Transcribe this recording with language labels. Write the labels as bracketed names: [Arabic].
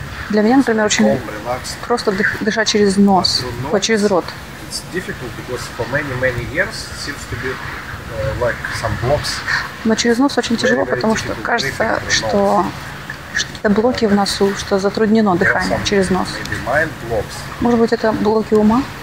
[Russian] Для меня, например, очень просто дышать через нос, через рот. [English] it's difficult because for many, many years it seems to be like some blocks. [Russian] Но через нос очень тяжело, потому что кажется, что какие-то блоки в носу, что затруднено дыхание через нос. Может быть, это блоки ума?